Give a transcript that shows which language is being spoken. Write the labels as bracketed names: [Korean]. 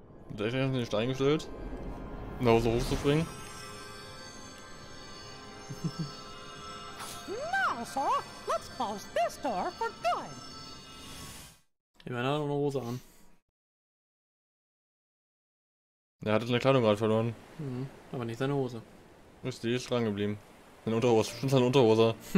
[German] Der hat den Stein gestellt, um da so hoch zu springen. [English] Now, Sora, let's close this door for good. [German] Ich meine, er hat noch eine Hose an. Er hatte seine Kleidung gerade verloren. Mhm, aber nicht seine Hose. Ist die dran geblieben. Seine Unterhose, schon seine Unterhose.